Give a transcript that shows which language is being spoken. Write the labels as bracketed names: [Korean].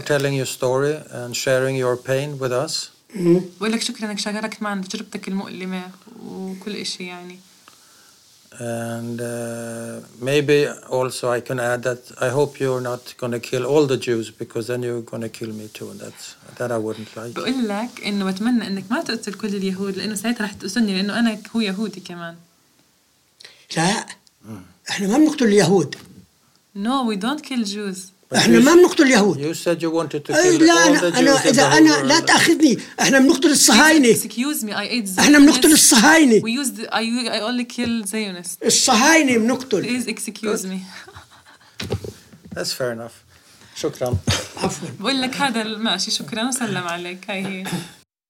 [English] telling your story and sharing your pain with us. [Arabic] بقول لك شكراً إنك شاركت معنا تجربتك المؤلمة وكل إشي يعني. [English] And maybe also I can add that I hope you're not going to kill all the Jews because then you're going to kill me too, and that I wouldn't like. [Arabic] بقول لك إنه بتمنى إنك ما تقتل كل اليهود لأنه ساعتها راح تقتلني لأنه أنا هو يهودي كمان. لا. إحنا ما بنقتل اليهود. [English] No, we don't kill Jews. [Arabic] إحنا ما بنقتل اليهود. [English] You said you wanted to kill all the Jews. [Arabic] إذا أنا لا تأخذني إحنا بنقتل الصهاينة. [English] Excuse me, I ate Zionists. [Arabic] إحنا بنقتل الصهاينة. [English] I only kill Zionists. [Arabic] الصهاينة بنقتل. [English] Please excuse me. That's fair enough. شكرا. [Arabic] عفوا. بقول لك هذا ماشي شكرا وسلم عليك هاي هي.